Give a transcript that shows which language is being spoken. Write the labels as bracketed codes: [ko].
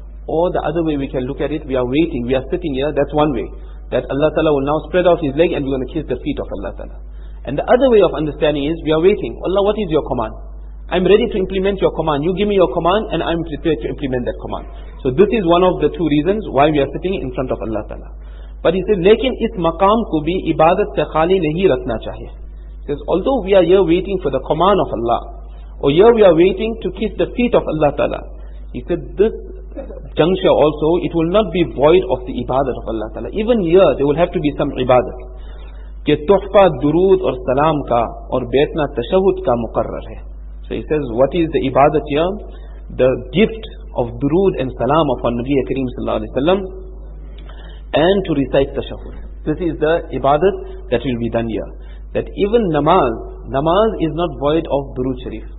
[en] Or the other way we can look at it, we are waiting, we are sitting here, that's one way. That Allah ta'ala will now spread out his leg and we're going to kiss the feet of Allah ta'ala. And the other way of understanding is, we are waiting. Allah, what is your command? I'm ready to implement your command. You give me your command and I'm prepared to implement that command. So this is one of the two reasons why we are sitting in front of Allah ta'ala. But he says, [ur] لیکن اس مقام کو بھی عبادت سے خالی نہیں رکھنا چاہیے. [en] He says, although we are here waiting for the command of Allah, or here we are waiting to kiss the feet of Allah ta'ala, he said, this juncture also, it will not be void of the ibadat of Allah ta'ala. Even here, there will have to be some ibadat. [ur] کہ تحفہ درود اور سلام کا اور بیٹھنا تشہد کا مقرر ہے. [en] So he says, what is the ibadat here? The gift of durood and salam upon Nabi Kareem sallallahu alayhi wa sallam, and to recite tashahud. This is the ibadat that will be done here. That even namaz is not void of durood sharif.